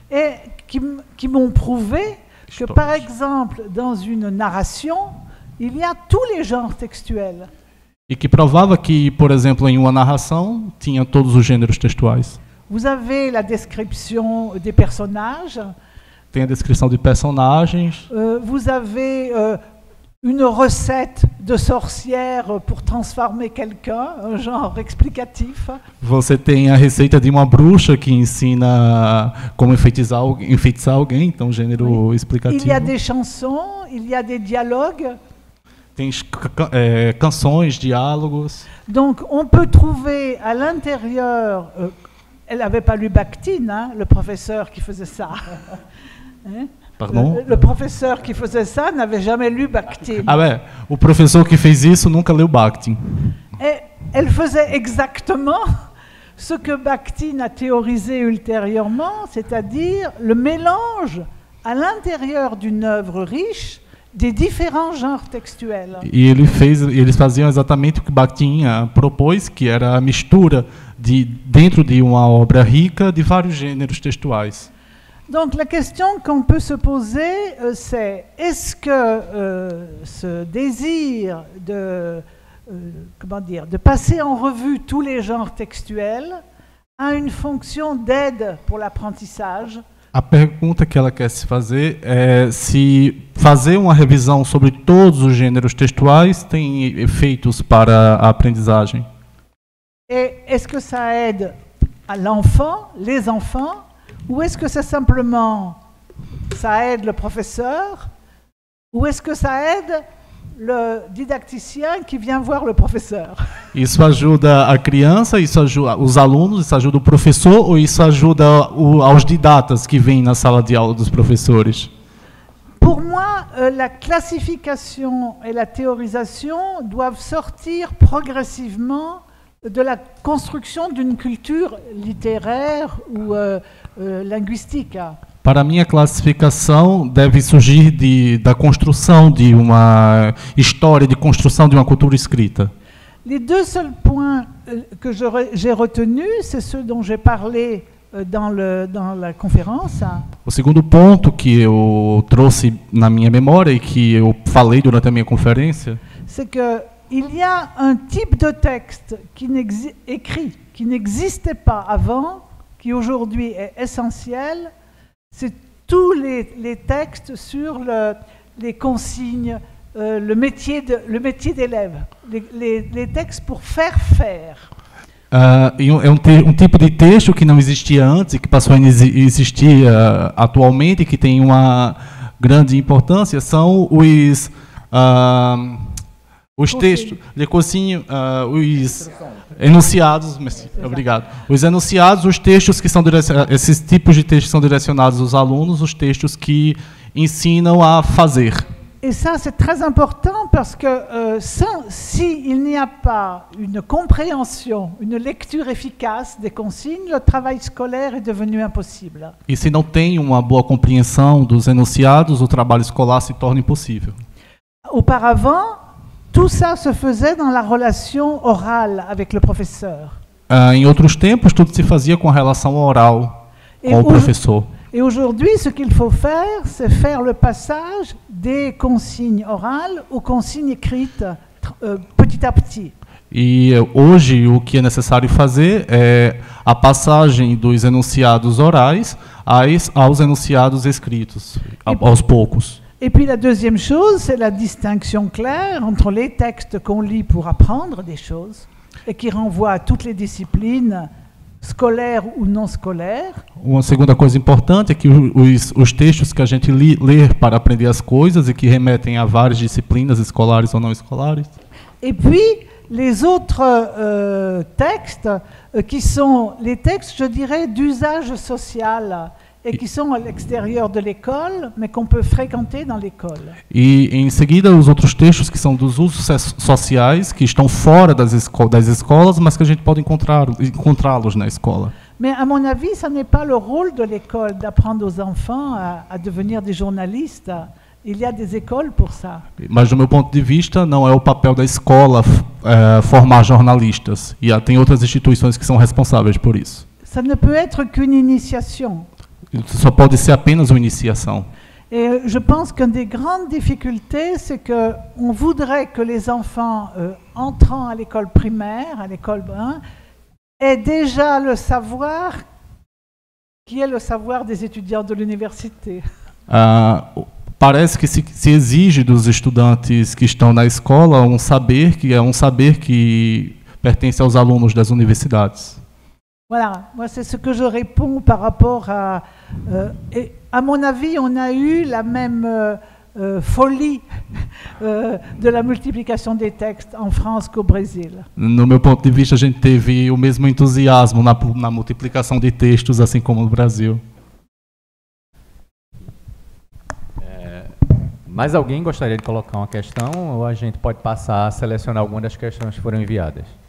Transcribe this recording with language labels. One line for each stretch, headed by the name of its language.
French: E que m'ont prouvé que, par exemple, dans une narration, il y a tous les genres textuels.
Portuguese: E que provava que, por exemplo, em uma narração, tinha todos os gêneros textuais.
French: Vous avez la description des personnages.
Portuguese: Tem a descrição de personagens.
French: Vous avez une recette de sorcière pour transformer quelqu'un, un genre explicatif.
Portuguese: Você tem a receita de uma bruxa que ensina como enfeitiçar alguém, então gênero oui. explicativo.
French: Il y a des chansons, il y a des dialogues.
Portuguese: Tem canções, diálogos.
French: Donc on peut trouver à l'intérieur elle avait pas lu Bakhtine, hein, le professeur qui faisait ça. Pardon? Le professeur qui faisait ça n'avait jamais lu Bakhtin. Ah ouais, le professeur qui fait ça
Portuguese: nunca leu
French: Bakhtin. Elle faisait exactement ce que Bakhtin a théorisé ultérieurement, c'est-à-dire le mélange à l'intérieur d'une œuvre riche des différents genres textuels. Et ils faisaient exactement ce que Bakhtin propose, qui
Portuguese: era la mistura de, dentro de uma obra rica, de vários gêneros textuais.
French: Donc la question qu'on peut se poser, c'est est-ce que ce désir de, comment dire, de passer en revue tous les genres textuels a une fonction d'aide pour l'apprentissage?
Portuguese: A pergunta que ela quer se fazer é se fazer uma revisão sobre todos os gêneros textuais tem efeitos para a aprendizagem.
French: Et est-ce que ça aide à l'enfant, les enfants? Ou est-ce que c'est simplement ça aide le professeur? Ou est-ce que ça aide le didacticien qui vient voir le professeur?
Portuguese: Isso ajuda a criança, isso ajuda os alunos, isso ajuda o professor ou isso ajuda aos didatas que vêm na sala de aula dos professores?
French: Pour moi, la classification et la théorisation doivent sortir progressivement de la construction d'une culture littéraire ou linguistique.
Portuguese: Para mim, a classificação deve surgir de, da construção de uma história, de construção de uma cultura escrita.
French: Les deux seuls points que j'ai retenus, c'est ceux dont j'ai parlé dans la conférence.
Portuguese: O segundo ponto que eu trouxe na minha memória e que eu falei durante a minha conferência,
French: c'est que il y a un type de texte qui écrit, qui n'existait pas avant, qui aujourd'hui est essentiel, c'est tous les textes sur les consignes, le métier d'élève, les textes pour faire.
Portuguese: Um tipo de texto que não existia antes, que passou a existir atualmente, que tem uma grande importância, são os... os textos, de cozinha, os enunciados, obrigado. Os enunciados, os textos que são direcionados, esses tipos de textos que são direcionados aos alunos, os textos que ensinam a fazer. E isso é muito importante porque se não há uma compreensão, uma leitura eficaz das consignes, o trabalho escolar é devenido impossível. E se não tem uma boa compreensão dos enunciados, o trabalho escolar se torna impossível.
French: Auparavant, tout ça se faisait dans la relation orale avec le professeur.
Portuguese: Em outros tempos, tudo se fazia com a relação oral com o professor.
French: Et aujourd'hui, ce qu'il faut faire, c'est faire le passage des consignes orales aux consignes écrites petit à petit.
Portuguese: E hoje, o que é necessário fazer é a passagem dos enunciados orais aos enunciados escritos, aos poucos.
French: Et puis la deuxième chose, c'est la distinction claire entre les textes qu'on lit pour apprendre des choses et qui renvoient à toutes les disciplines scolaires ou non scolaires.
Portuguese: Uma segunda coisa importante é que os textos que a gente lê para aprender as coisas e que remetem a várias disciplinas escolares ou não escolares.
French: Et puis les autres textes qui sont les textes, je dirais, d'usage social et qui sont à l'extérieur de l'école, mais qu'on peut fréquenter dans l'école.
Portuguese: E em seguida os outros textos que são dos usos sociais, que estão fora das escolas, mas que a gente pode encontrá-los na escola.
French: Mais à mon avis, ça n'est pas le rôle de l'école d'apprendre aux enfants à devenir des journalistes. Il y a des écoles pour ça.
Portuguese: Mas do meu ponto de vista, não é o papel da escola formar jornalistas. E há tem outras instituições que são responsáveis por isso.
French: Ça ne peut être qu'une initiation.
Portuguese: Só pode ser apenas uma iniciação.
French: Et je pense qu'une des grandes difficultés, c'est que on voudrait que les enfants entrant à l'école primaire, à l'école 1, aient déjà le savoir qui est le savoir des étudiants de l'université.
Portuguese: Parece que se exige dos estudantes que estão na escola um saber que é um saber que pertence aos alunos das universidades.
French: Voilà, moi c'est ce que je réponds par rapport à. Et à mon avis, on a eu la même folie de la multiplication des textes en France qu'au Brésil.
Portuguese: No meu ponto de vista, a gente teve o mesmo entusiasmo na multiplicação de textos, assim como no Brasil. Mais alguém gostaria de colocar uma questão ou a gente pode passar a selecionar alguma das questões que foram enviadas?